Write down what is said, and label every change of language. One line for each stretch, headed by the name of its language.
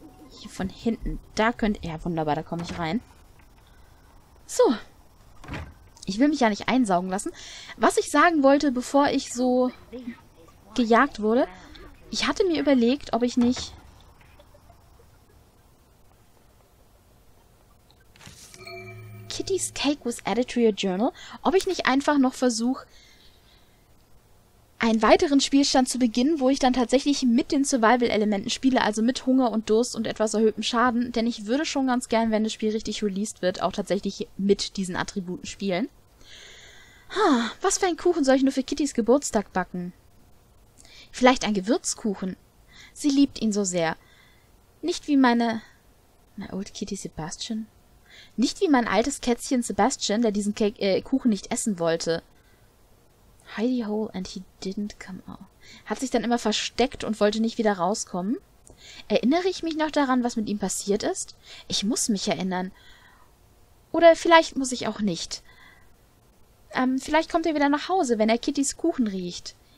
German: Hier von hinten. Da könnt. Ja, wunderbar, da komme ich rein. So. Ich will mich ja nicht einsaugen lassen. Was ich sagen wollte, bevor ich so gejagt wurde, ich hatte mir überlegt, ob ich nicht.
English: Kitty's Cake was added to your journal.
German: Ob ich nicht einfach noch versuche, einen weiteren Spielstand zu beginnen, wo ich dann tatsächlich mit den Survival-Elementen spiele, also mit Hunger und Durst und etwas erhöhtem Schaden. Denn ich würde schon ganz gern, wenn das Spiel richtig released wird, auch tatsächlich mit diesen Attributen spielen. Was für einen Kuchen soll ich nur für Kittys Geburtstag backen? Vielleicht ein Gewürzkuchen? Sie liebt ihn so sehr. Nicht wie meine...
English: My old Kitty Sebastian...
German: Nicht wie mein altes Kätzchen Sebastian, der diesen Kuchen nicht essen wollte.
English: Hidey hole and he didn't come out.
German: Hat sich dann immer versteckt und wollte nicht wieder rauskommen. Erinnere ich mich noch daran, was mit ihm passiert ist? Ich muss mich erinnern. Oder vielleicht muss ich auch nicht. Vielleicht kommt er wieder nach Hause, wenn er Kittys Kuchen riecht.